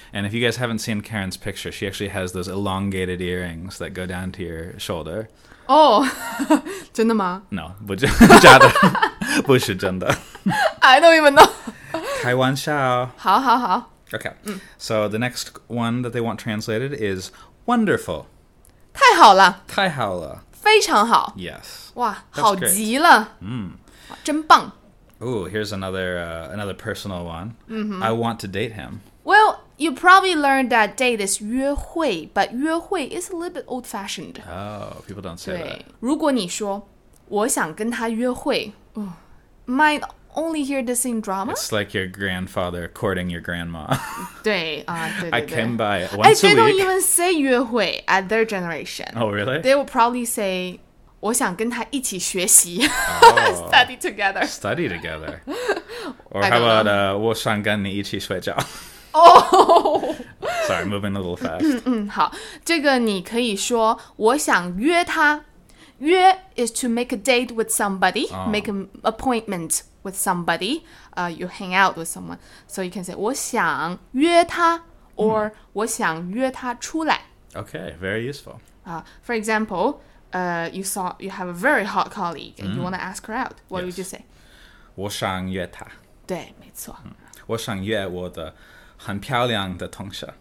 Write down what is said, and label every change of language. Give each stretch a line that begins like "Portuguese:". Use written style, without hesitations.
English: And if you guys haven't seen Karen's picture, she actually has those elongated earrings that go down to your shoulder.
Chinese: Oh, 真的吗? No, 不是假的, 不是真的。
English: I don't even know.
Chinese: 开玩笑。好好好。
English: Okay, so the next one that they want translated is wonderful.
Chinese: 太好了。太好了。非常好。
English: Yes.
Chinese: 哇,好极了。真棒。
English: Ooh, here's another personal one. Mm-hmm. I want to date him. Well, you probably learned that date is 约会, but 约会 is a little bit old-fashioned. Oh, people don't say that.
Chinese: 如果你说,我想跟他约会,
English: might only hear this in drama? It's like your grandfather courting your grandma.
Chinese: 对, 对, 对,
English: I came by once a week. don't even say 约会 at their generation. Oh, really? They will probably say...
Chinese: 我想跟他一起学习
English: study together. Study together. Or how about
Chinese: 我想跟你一起睡觉。
English: Oh! Sorry, moving a little fast.
Chinese: 好,这个你可以说我想约他。
English: 约 is to make a date with somebody, make an appointment with somebody. You hang out with someone. So you can say
Chinese: 我想约他
English: or
Chinese: 我想约他出来。
English: Okay, very useful. For example... you have a very hot colleague and you want to ask her out. What would you say?
Chinese: 我想约她。对,没错。我想约我的很漂亮的同学。